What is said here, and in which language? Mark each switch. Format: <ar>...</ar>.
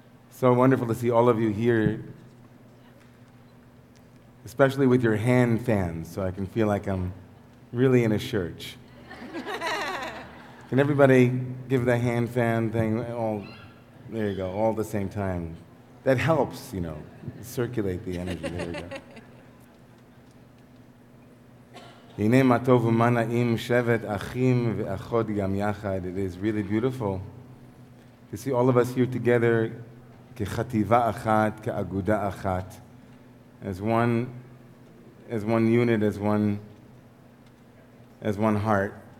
<en>So wonderful to see all of you here, especially with your hand fans, so I can feel like I'm really in a church. Can everybody give the hand fan thing all, there you go, all the same time. That helps, you know, circulate the energy. There you go.</en> <he>הנה מה טוב ומה נעים שבת אחים ואחות גם יחד.</he> <en>It is really beautiful to see all of us here together</en> <he>כחטיבה אחת, כאגודה אחת,</he> <en>as one unit, as one heart.</en>